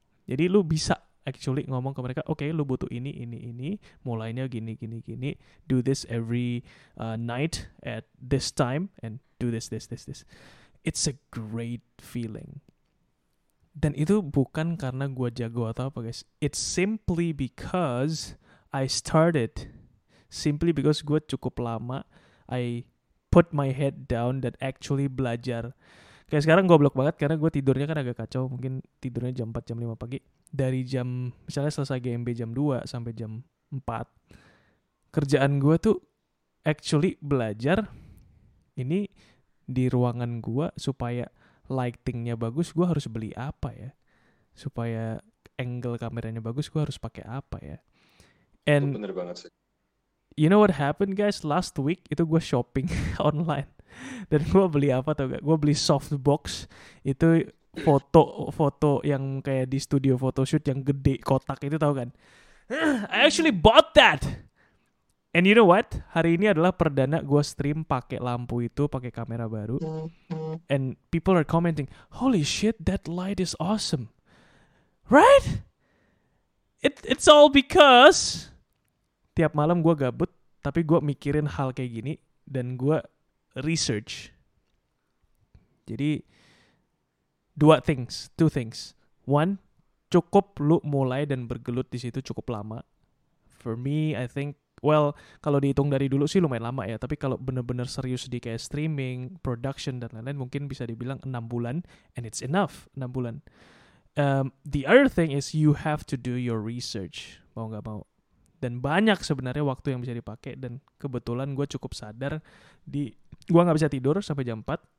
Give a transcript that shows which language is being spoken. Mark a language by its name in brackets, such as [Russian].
[Indonesian] Jadi lu bisa actually ngomong ke mereka, okay, lu butuh ini, mulainya gini, [English] do this every night at this time, and do this. It's a great feeling. [Indonesian] Dan itu bukan karena gua jago atau apa, guys. [English] It's simply because I started. Simply because [Indonesian] gua cukup lama, [English] I put my head down that actually belajar. [Indonesian] Kayak sekarang goblok banget karena gue tidurnya kan agak kacau. Mungkin tidurnya jam 4, jam 5 pagi. Dari jam, misalnya selesai GMB jam 2 sampai jam 4. Kerjaan gue tuh actually belajar ini di ruangan gue supaya lightingnya bagus, gue harus beli apa ya? Supaya angle kameranya bagus, gue harus pakai apa ya? And itu bener banget sih. [English] You know what happened, guys? Last week [Indonesian] itu gue [English] shopping online. [Indonesian] Dan gue beli apa tau gak? Gue beli softbox. Itu foto yang kayak di studio photoshoot yang gede kotak itu tau kan? I actually bought that. [English] And you know what? [Indonesian] Hari ini adalah perdana gue stream pakai lampu itu, pakai kamera baru. [English] And people are commenting, "Holy shit, that light is awesome." Right? It's all because [Indonesian] tiap malam gue gabut, tapi gue mikirin hal kayak gini dan gue research. [English] Jadi two things. [Indonesian] One, cukup lu mulai dan bergelut di situ cukup lama. [English] For me, I think, well, [Indonesian] kalau dihitung dari dulu sih lumayan lama ya, tapi kalau benar-benar serius di kayak streaming, production dan lain-lain mungkin bisa dibilang 6 bulan [English] and it's enough, [Indonesian] 6 bulan. [English] The other thing is you have to do your research, [Indonesian] mau enggak mau. Dan banyak sebenarnya waktu yang bisa dipakai dan kebetulan gue cukup sadar di gue gak bisa tidur sampai jam 4.